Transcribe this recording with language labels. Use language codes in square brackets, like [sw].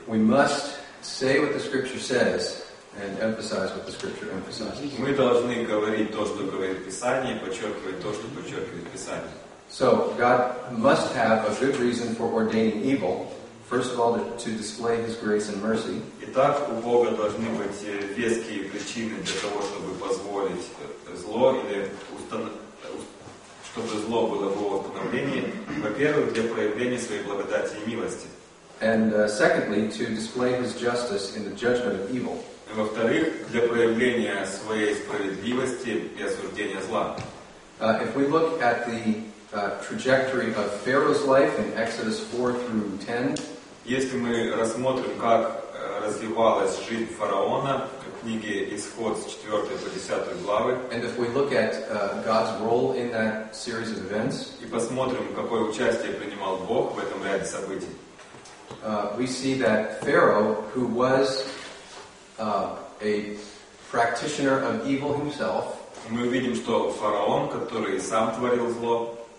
[en] We must say what the scripture says and emphasize what the scripture emphasizes. [ru] Мы должны говорить то, что говорит Писание, подчеркивать то, что подчеркивает Писание. [en] So God must have a good reason for ordaining evil. First of all, to display His grace and mercy. [ru] Итак, у Бога должны быть веские причины для того, чтобы позволить зло или чтобы зло было в Его установлении. Во-первых, для проявления своей благодати и милости. [en] And secondly, to display His justice in the judgment of evil. [ru] И во-вторых, для проявления своей справедливости и осуждения зла. [en] If we look at the trajectory of Pharaoh's life in Exodus 4 through 10. [ru] Если мы рассмотрим, как развивалась жизнь фараона в книге Исход с 4 по 10 главы, [en] and if we look at God's role in that series of events, [ru] и посмотрим, какое участие принимал Бог в этом ряде событий, [en] we see that Pharaoh, who was a practitioner of evil himself, [ru] мы видим, что фараон, который сам творил зло,